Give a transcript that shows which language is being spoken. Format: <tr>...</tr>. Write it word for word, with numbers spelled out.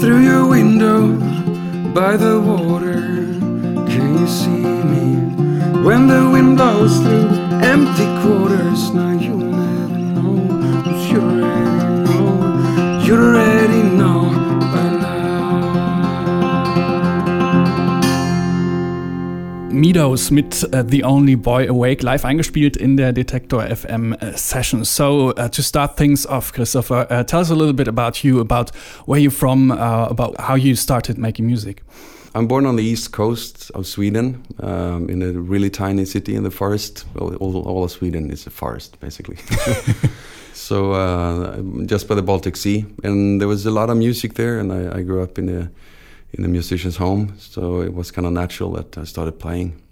<en>Through your window, by the water, can you see me? When the wind blows through empty quarters, now you never know, but you already know, you already know by now.</en> <de>Meadows mit uh, The Only Boy Awake live eingespielt in der Detektor F M uh, Session.</de> <en>So uh, to start things off, Christopher, uh, tell us a little bit about you, about where you're from, uh, about how you started making music. I'm born on the east coast of Sweden, um, in a really tiny city in the forest. Well, all, all of Sweden is a forest, basically. So uh, just by the Baltic Sea, and there was a lot of music there, and I, I grew up in a in a musician's home, so it was kind of natural that I started playing.</en>